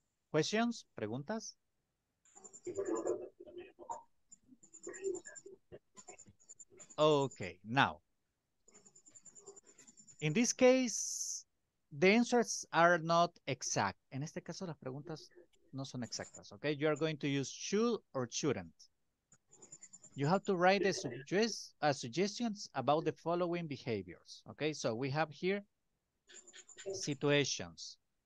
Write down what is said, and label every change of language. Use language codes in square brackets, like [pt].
[en] Questions? Preguntas? Okay, now. In this case, the answers are not exact. [es] En este caso, las preguntas no son exactas, okay? [en] You are going to use should or shouldn't. You have to write suggestions about the following behaviors, okay? So we have here situations.